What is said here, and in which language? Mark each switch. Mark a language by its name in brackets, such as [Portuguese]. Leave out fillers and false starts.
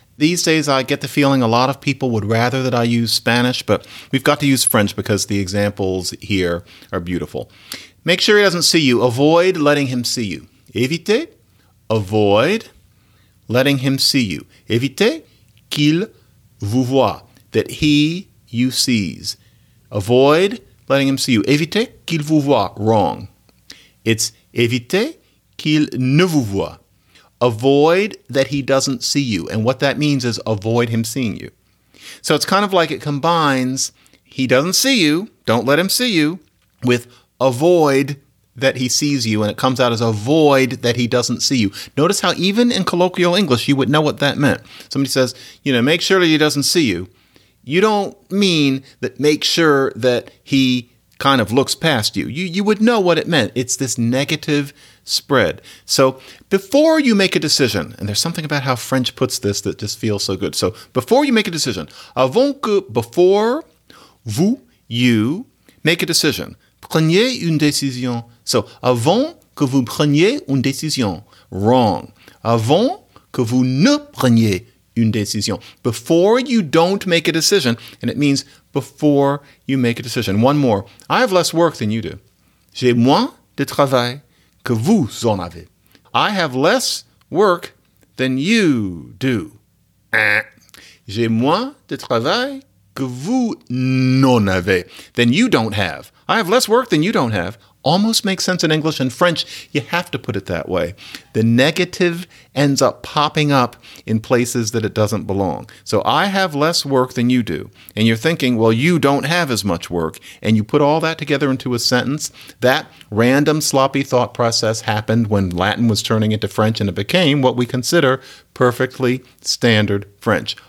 [English] These days, I get the feeling a lot of people would rather that I use Spanish, but we've got to use French because the examples here are beautiful. Make sure he doesn't see you. Avoid letting him see you. Éviter. Avoid letting him see you. [French] Éviter qu'il vous voit. [English] That he you sees. Avoid letting him see you. [French] Éviter qu'il vous voit. [English] Wrong. It's [French] éviter qu'il ne vous voit. [English] Avoid that he doesn't see you. And what that means is avoid him seeing you. So it's kind of like it combines he doesn't see you, don't let him see you, with avoid that he sees you. And it comes out as avoid that he doesn't see you. Notice how even in colloquial English, you would know what that meant. Somebody says, you know, make sure that he doesn't see you. You don't mean that make sure that he kind of looks past you. You would know what it meant. It's this negative spread. So before you make a decision, and there's something about how French puts this that just feels so good. So before you make a decision, [French] avant que, [English] before vous, you, make a decision. [French] Prenez une décision. So avant que vous preniez une décision. [English] Wrong. [French] Avant que vous ne preniez une décision. [English] Before you don't make a decision, and it means before you make a decision. One more. I have less work than you do. [French] J'ai moins de travail que vous en avez. [English] I have less work than you do. [French] J'ai moins de travail que vous n'en avez. [English] Than you don't have. I have less work than you don't have. Almost makes sense in English. In French, you have to put it that way. The negative ends up popping up in places that it doesn't belong. So I have less work than you do. And you're thinking, well, you don't have as much work. And you put all that together into a sentence. That random sloppy thought process happened when Latin was turning into French, and it became what we consider perfectly standard French.